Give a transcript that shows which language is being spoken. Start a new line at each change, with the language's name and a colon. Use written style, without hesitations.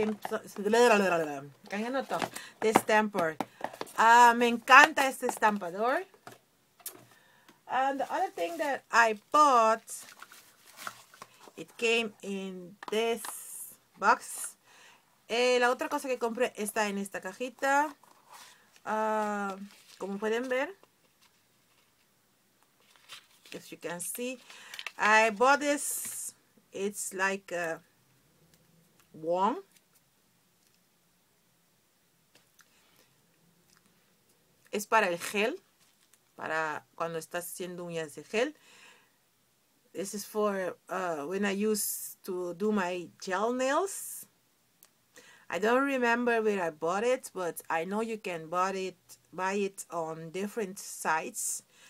English: I'm gonna talk this stamper.
Spanish: Me encanta este estampador.
English: And the other thing that I bought, it came in this box.
Spanish: La otra cosa que compré está en esta cajita. Como pueden ver,
English: as you can see, I bought this. It's like a wand.
Spanish: Es para el gel, para cuando estás haciendo uñas de gel.
English: This is for when I use to do my gel nails. I don't remember where I bought it, but I know you can buy it on different sites.